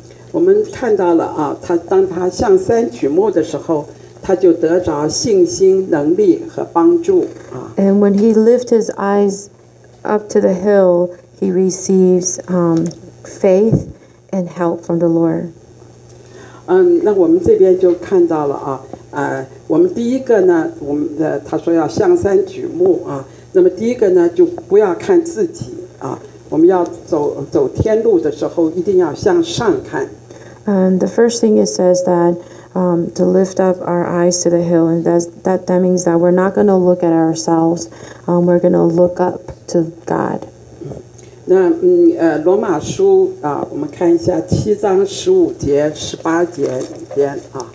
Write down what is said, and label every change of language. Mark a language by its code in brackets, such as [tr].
[zh] 我们看到了啊，他当他向山举目的时候。他就得着信心、能力和帮助啊。 [en] And when he lifts his eyes up to the hill, he receives faith and help from the Lord. [zh] 那我们这边就看到了啊，我们第一个呢，我们的他说要向山举目啊。那么第一个呢，就不要看自己啊，我们要走天路的时候，一定要向上看。 [en] The first thing it says that. To lift up our eyes to the hill, and that means that we're not going to look at ourselves, we're going to look up to God. [zh] 那罗马书啊，我们看一下7:15-18里边啊。